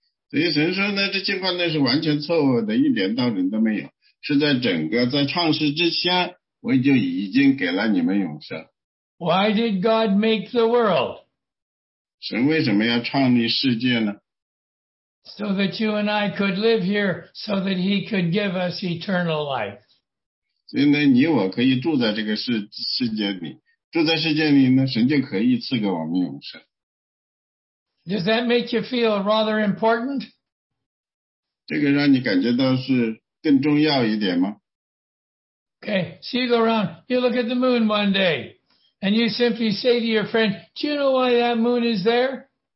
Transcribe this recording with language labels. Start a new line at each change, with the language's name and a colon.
Chinese: 所以神说呢，这进化呢是完全错误的，一点道理都没有，是在整个在创世之前，我就已经给了你们永生。
English: Why did God make the world?
Chinese: 神为什么要创立世界呢?
English: So that you and I could live here, so that he could give us eternal life.
Chinese: 所以呢，你我可以住在这个世界里，住在世界里呢，神就可以赐给我们永生。
English: Does that make you feel rather important?
Chinese: 这个让你感觉到是更重要一点吗?
English: Okay, so you go around, you look at the moon one day. And you simply say to your friend, do you know why that moon is there?